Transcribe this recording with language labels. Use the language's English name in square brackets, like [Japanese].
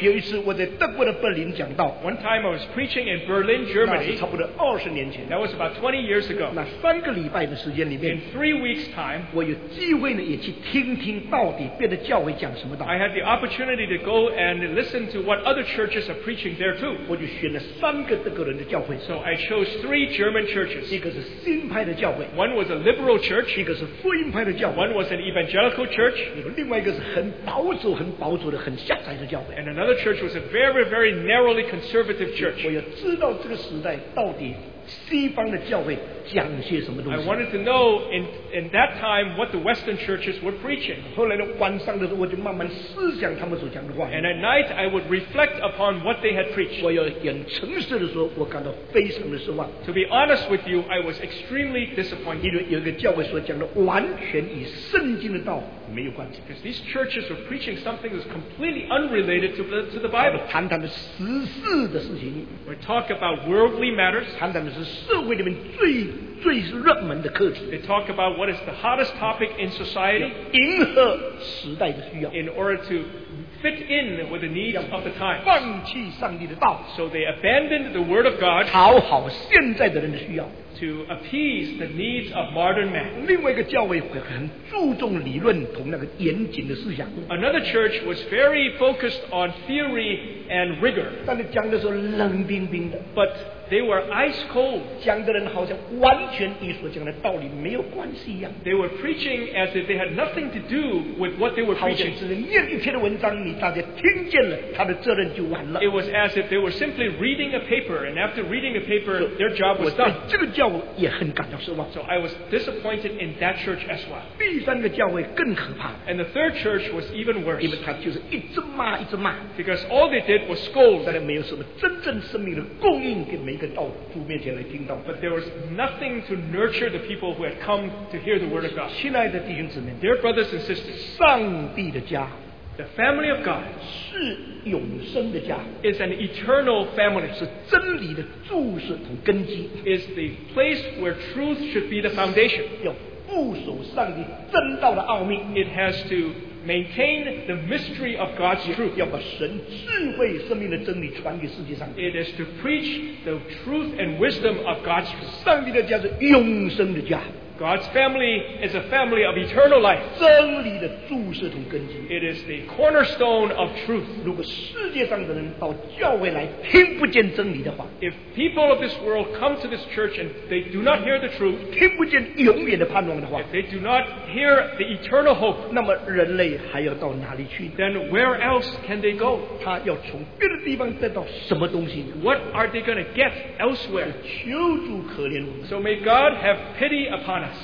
[English] One time I was preaching in Berlin, Germany. That was about 20 years ago. In 3 weeks' time, I had the opportunity to go and listen to what what other churches are preaching there too. [Chinese] 我就选了三个德国人的教会。 [English] So I chose three German churches. [Chinese] 一个是新派的教会。 [English] One was a liberal church. [Chinese] 一个是福音派的教会。 [English] One was an evangelical church. [Chinese] 另外一个是很保守、很保守的、很狭窄的教会。 [English] And another church was a very, very narrowly conservative church. [Chinese] 我要知道这个时代到底西方的教会讲些什么东西。 [English] I wanted to know in that time what the Western churches were preaching. [Chinese] 后来呢，晚上的时候我就慢慢思想他们所讲的话。 [English] And at night I would reflect upon what they had preached. [Chinese] 我要很诚实的说，我感到非常的失望。 [English] To be honest with you, I was extremely disappointed. [Chinese] 因为有一个教会所讲的完全与圣经的道没有关系。 [English] Because these churches were preaching something that's completely unrelated to the Bible. [Chinese] 谈谈的时事的事情。 [English] We talk about worldly matters. [Chinese] 谈谈的是社会里面最热门的课题。 [English] They talk about what is the hottest topic in society. [Chinese] 迎合时代的需要。 [English] In order to fit in with the needs of the time. [Chinese] 放弃上帝的道。 [English] So they abandoned the word of God. [Chinese] 讨好现在的人的需要。 [English] To appease the needs of modern man. [Chinese] 另外一个教会会很注重理论同那个严谨的思想。 [English] Another church was very focused on theory and rigor. [Chinese] 但是讲的时候冷冰冰的。 [English] But they were ice cold. [Chinese] 讲的人好像完全与所讲的道理没有关系一样。 [English] They were preaching as if they had nothing to do with what they were preaching. [Chinese] 好像只是念一篇的文章，你大家听见了，他的责任就完了。 [English] It was as if they were simply reading a paper, and after reading a paper, their job was done. [Chinese] 我对这个教会也很感到失望。 [English] So I was disappointed in that church as well. [Chinese] 第三个教会更可怕。 [English] And the third church was even worse. [Chinese] 因为他就是一直骂，一直骂。 [English] Because all they did was scold. [Chinese] 但是没有什么真正生命的供应给每。 [English] But there was nothing to nurture the people who had come to hear the word of God. [Chinese] 亲爱的弟兄姊妹, [English] dear brothers and sisters, [Chinese] 上帝的家, [English] the family of God [Chinese] 是永生的家, [English] is an eternal family, [Chinese] 是真理的柱石和根基, [English] is the place where truth should be the foundation. [Chinese] 要固守上帝真道的奥秘, [English] it has to maintain the mystery of God's truth. [Chinese] 要把神智慧生命的真理传给世界上。 [English] It is to preach the truth and wisdom of God's truth. [Chinese] 上帝的家是永生的家。 [English] God's family is a family of eternal life. [Chinese] 真理的柱石和根基。 [English] It is the cornerstone of truth. [Chinese] 如果世界上的人到教会来听不见真理的话， [English] If people of this world come to this church and they do not hear the truth, [Chinese] 听不见永远的盼望的话， [English] If they do not hear the eternal hope, [Chinese] 那么人类还要到哪里去？ [English] Then where else can they go? [Chinese] 他要从别的地方得到什么东西呢？ [English] What are they going to get elsewhere? [Chinese] 求主可怜我们。 [English] So may God have pity upon us.